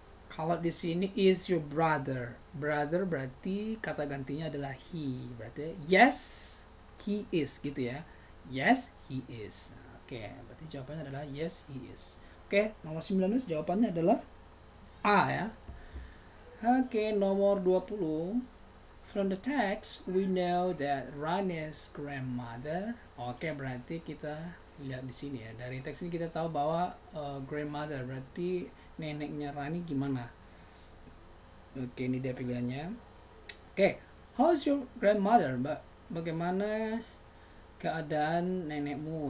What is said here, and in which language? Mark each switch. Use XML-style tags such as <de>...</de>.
<id>Kalau di sini is your brother. Brother berarti kata gantinya adalah he.</id> <en>Berarti yes, he is gitu ya. Yes, he is.</en> <id>Oke, okay, berarti jawabannya adalah</id> <en>yes, he is.</en> <id>Oke, okay, nomor 19 jawabannya adalah A ya. Oke, okay, nomor 20.</id> <en>From the text, we know that Rani's grandmother.</en> <id>Oke, okay, berarti kita lihat di sini ya. Dari teks ini kita tahu bahwa grandmother berarti neneknya Rani gimana. Oke, okay, ini dia pilihannya. Oke, okay,</id> <en>how's your grandmother?</en> <id>Bagaimana keadaan nenekmu?</id>